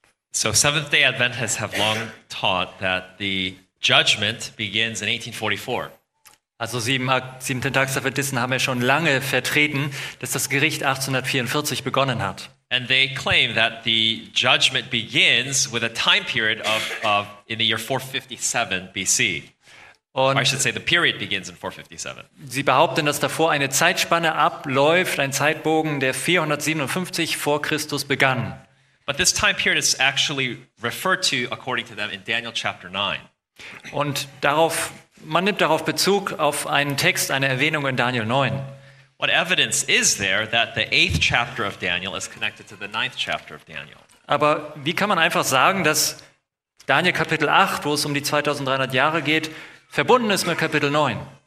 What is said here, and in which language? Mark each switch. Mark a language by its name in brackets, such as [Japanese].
[English] So Seventh-day Adventists have long taught that the judgment begins in 1844. [German] Also Siebenten-Tags-Adventisten haben ja schon lange vertreten, dass das Gericht 1844 begonnen hat. [English] And they claim that the judgment begins with a time period of in the year 457 BC. Or I should say the period begins in 457. [German] Sie behaupten, dass davor eine Zeitspanne abläuft, ein Zeitbogen, der 457 vor Christus begann. [English] But this time period is actually referred to, according to them, in Daniel chapter 9. [German] Und darauf Man nimmt darauf Bezug auf einen Text, eine Erwähnung in Daniel 9. [English] What evidence is there that the 8th chapter of Daniel is connected to the 9th chapter of Daniel? [German] Aber wie kann man einfach sagen, dass Daniel Kapitel 8, wo es um die 2300 Jahre geht, verbunden ist mit Kapitel 9?